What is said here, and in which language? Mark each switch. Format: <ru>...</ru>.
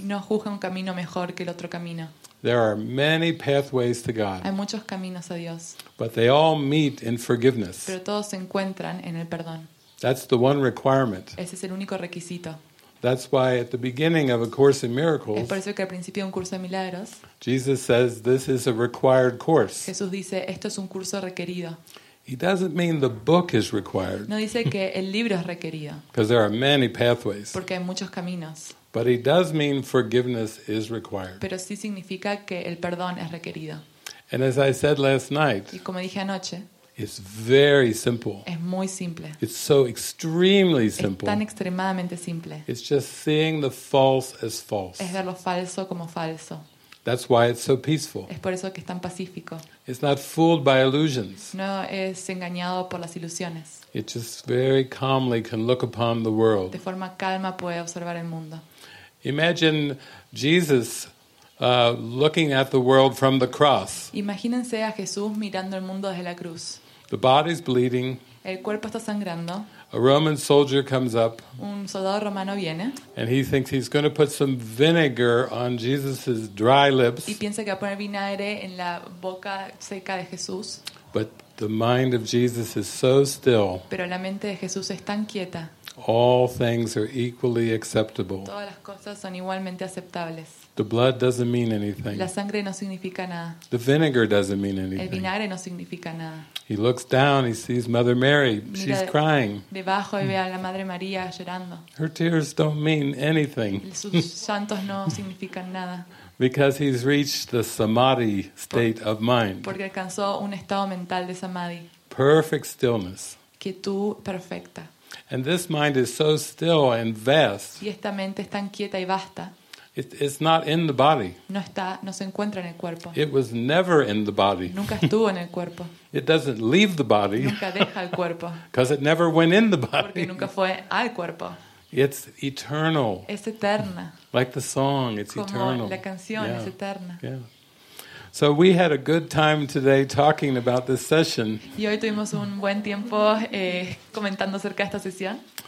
<es>No juzga un camino mejor que el otro camino.</es> <en>There are many pathways to God.</en> <es>Hay muchos caminos a Dios.</es> <en>But they all meet in forgiveness.</en> <es>Pero todos se encuentran en el perdón.</es> <en>That's the one requirement.</en> <es>Ese es el único requisito.</es> <en>That's why at the beginning of A Course in Miracles,</en> <es>es por eso que al principio de un curso de milagros,</es> <en>Jesus says this is a required course.</en> <es>Jesús dice, esto es un curso requerido.</es> <en>He doesn't mean the book is required.</en> <es>No dice que el libro es requerido.</es> <en>Because there are many pathways.</en> <es>Porque hay muchos caminos.</es> <en>But he does mean forgiveness is required.</en> <es>Pero sí significa que el perdón es requerido.</es> <en>And as I said last night,</en> <es>y como dije anoche,</es> <en>it's very simple.</en> <es>Es muy simple.</es> <en>It's so extremely simple.</en> <es>Es tan extremadamente simple.</es> <en>It's just seeing the false as false.</en> <es>Es ver lo falso como falso.</es> <en>That's why it's so peaceful.</en> <es>Es por eso que es tan pacífico.</es> <en>It's not fooled by illusions.</en> <es>No es engañado por las ilusiones.</es> <en>It just very calmly can look upon the world.</en> <es>De forma calma puede observar el mundo.</es> <en>Imagine Jesus looking at the world from the cross.</en> <es>Imagínense a Jesús mirando el mundo desde la cruz.</es> <en>The body's bleeding.</en> <es>El cuerpo está sangrando.</es> <en>A Roman soldier comes up.</en> <es>Un soldado romano viene.</es> <en>And he thinks he's going to put some vinegar on Jesus' dry lips.</en> <es>Y piensa que va a poner vinagre en la boca seca de Jesús.</es> <en>But the mind of Jesus is so still.</en> <es>Pero la mente de Jesús es tan quieta.</es> <en>All things are equally acceptable.</en> <es>Todas las cosas son igualmente aceptables.</es> <en>The blood doesn't mean anything.</en> <es>La sangre no significa nada.</es> <en>The vinegar doesn't mean anything.</en> <es>El vinagre no significa nada.</es> <en>He looks down, he sees Mother Mary.</en> <es>Mira,</es> <en>she's crying.</en> <es>Debajo y ve a la Madre María llorando.</es> <en>Her tears don't mean anything.</en> <es>Sus llantos no significan nada.</es> <en>Because he's reached the samadhi state of mind.</en> <es>Porque alcanzó un estado mental de samadhi.</es> <en>Perfect stillness.</en> <es>Quietud perfecta.</es> <en>And this mind is so still and vast.</en> <es>Y esta mente es tan quieta y vasta.</es> <en>It's not in the body.</en> <es>No está, no se encuentra en el cuerpo.</es> <en>It was never in the body.</en> <es>Nunca estuvo en el cuerpo.</es> <en>It doesn't leave the body.</en> <es>Nunca deja el cuerpo.</es> <en>Because it never went in the body.</en> <es>Porque nunca fue al cuerpo.</es> <en>It's eternal.</en> <es>Es eterna.</es> <en>Like the song, it's</en> <es>como</es> <en>eternal.</en> <es>La canción, yeah. Es eterna. Yeah.</es> <en>So we had a good time today talking about this session.</en> <es>Y hoy tuvimos un buen tiempo comentando acerca de esta sesión.</es>